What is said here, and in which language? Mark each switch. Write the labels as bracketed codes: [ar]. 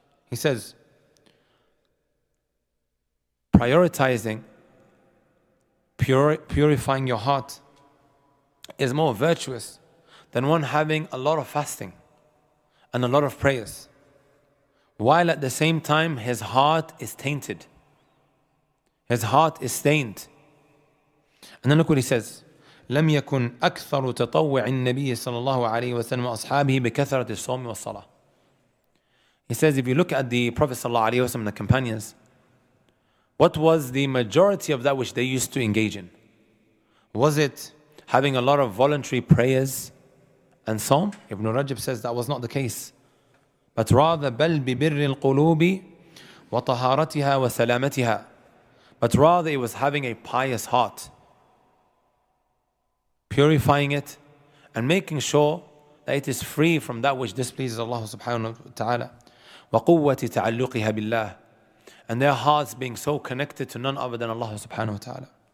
[en] He says, prioritizing, purifying your heart is more virtuous than one having a lot of fasting and a lot of prayers, while at the same time his heart is tainted. His heart is stained. And then look what he says. [ar] لم يكن أكثر تطوع النبي صلى الله عليه وسلم وأصحابه بكثرة الصوم والصلاة. [en] He says, if you look at the Prophet صلى الله عليه وسلم and the companions, what was the majority of that which they used to engage in? Was it having a lot of voluntary prayers and psalm? Ibn Rajab says that was not the case. But rather, [ar] بل ببر القلوب وطهارتها وسلامتها. [en] But rather, it was having a pious heart, purifying it and making sure that it is free from that which displeases Allah subhanahu wa ta'ala. [ar] وَقُوَّةِ تَعَلُّقِهَا بِاللَّهِ. [en] And their hearts being so connected to none other than Allah subhanahu wa ta'ala.